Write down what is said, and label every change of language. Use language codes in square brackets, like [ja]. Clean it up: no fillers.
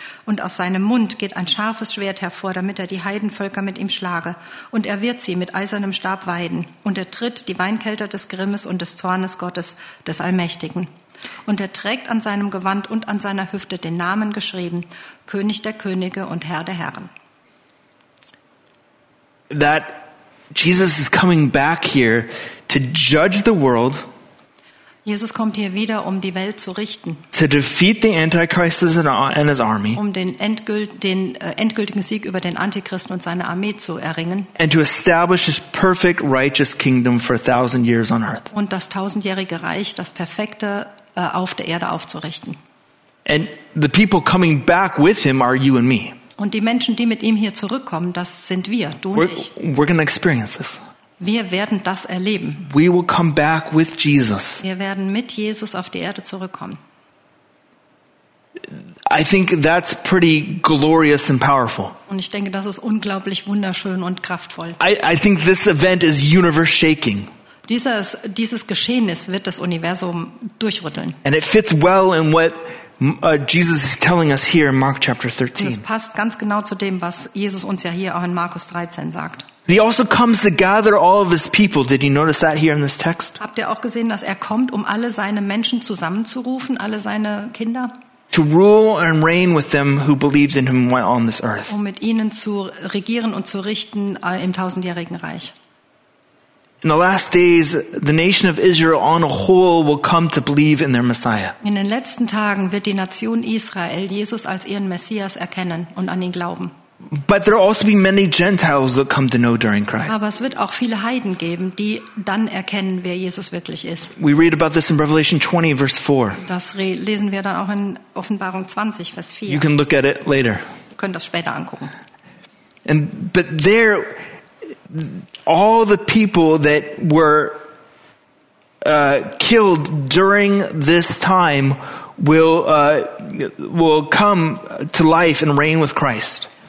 [de] Und aus seinem Mund geht ein scharfes Schwert hervor, damit er die Heidenvölker mit ihm schlage. Und er wird sie mit eisernem Stab weiden. Und er tritt die Weinkelter des Grimmes und des Zornes Gottes, des Allmächtigen. Und er trägt an seinem Gewand und an seiner Hüfte den Namen geschrieben, König der Könige und Herr der Herren. [en] That Jesus is coming back here to judge the world. [de] Jesus kommt hier wieder, um die Welt zu richten. [en] To defeat the Antichrist and his army. [de] Um den endgültigen Sieg über den Antichristen und seine Armee zu erringen. [en] And to establish his perfect righteous kingdom for 1,000 years on earth. [de] Und das tausendjährige Reich, das perfekte auf der Erde aufzurichten. [en] And the people coming back with him are you and me. [de] Und die Menschen, die mit ihm hier zurückkommen, das sind wir, du und ich. [en] We're going to experience this. [de] Wir werden das erleben. [en] We will come back with Jesus. [de] Wir werden mit Jesus auf die Erde zurückkommen. [en] I think that's pretty glorious and powerful. [de] Und ich denke, das ist unglaublich wunderschön und kraftvoll. [en] I think this event is universe shaking. [de] Dieses Geschehnis wird das Universum durchrütteln. [en] And it fits well in what Jesus is telling us here in Mark chapter 13. [de] Und es passt ganz genau zu dem, was Jesus uns ja hier auch in Markus 13 sagt. [en] He also comes to gather all of his people. Did you notice that here in this text? [de] Habt ihr auch gesehen, dass er kommt, um alle seine Menschen zusammenzurufen, alle seine Kinder? [en] To rule and reign with them who believes in him while on this earth. [de] Um mit ihnen zu regieren und zu richten im tausendjährigen Reich. [en] In the last days, the nation of Israel on a whole will come to believe in their Messiah. [de] In den letzten Tagen wird die Nation Israel Jesus als ihren Messias erkennen und an ihn glauben. [en] But there will also be many Gentiles that come to know during Christ. [de] Aber es wird auch viele Heiden geben, die dann erkennen, wer Jesus wirklich ist. [en] We read about this in Revelation 20, verse 4. [de] Das lesen wir dann auch in Offenbarung 20, Vers 4. [en] You can look at it later. [de] Wir können das später angucken. [en] But there, all the people that were killed during this time will come to life and reign with Christ.